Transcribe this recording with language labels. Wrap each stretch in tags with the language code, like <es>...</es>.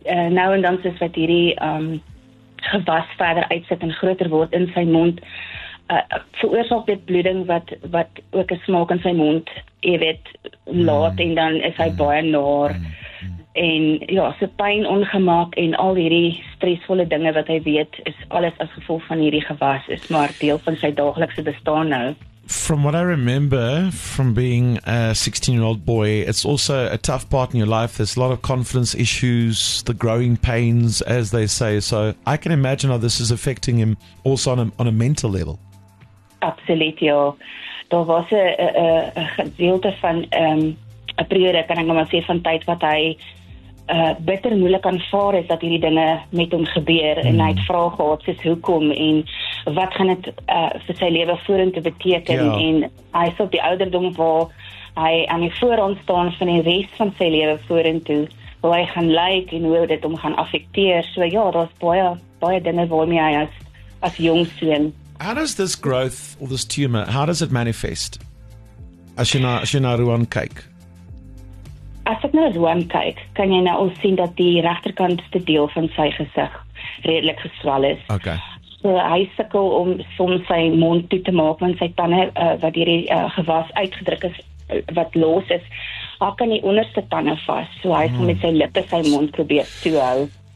<af>Nou en dan soos wat hierdie gewas verder uitsit en groter word in sy mond, veroorsaak dit bloeding wat ook 'n smaak in sy mond, jy weet, laat en dan is hy baie naar en ja, so pyn, ongemaak en al hierdie stresvolle dinge wat hy weet is alles as gevolg van hierdie gewas is maar deel van sy daaglikse bestaan nou.</af> <en>From what I remember from being a 16-year-old boy, it's also a tough part in your life. There's a lot of confidence issues, the growing pains, as they say. So I can imagine how this is affecting him also on a mental level. Absolutely.</en> <af>Ja. Daar was a gedeelte van a periode, kan ek nou maar sê, van tyd wat hy bitter moeilik aanvaar is dat hierdie dinge met hom gebeur. En hy het vrae gehad soos hoekom en wat gaan dit vir sy lewe vorentoe beteken. En hy is op die ouderdom waar hy aan die voorhand staan van die rest van sy lewe vorentoe, hoe hy gaan lyk en hoe dit hom gaan affekteer. So ja, daar's baie, baie dinge waarmee hy as jong seun.</af> <en>How does this growth or this tumor, how does it manifest?</en> <af>As jy na Ruan kyk? As ek na Ruan kyk, kan jy nou al sien dat die regterkantste deel van sy gesig redelik geswel is. Okay. So, hy sukkel om soms sy mond toe te maak, want sy tande, wat hierdie gewas uitgedruk is, wat los is, hak in die onderste tande vast, so hy gaan met sy lippe sy mond probeer toe hou.</af>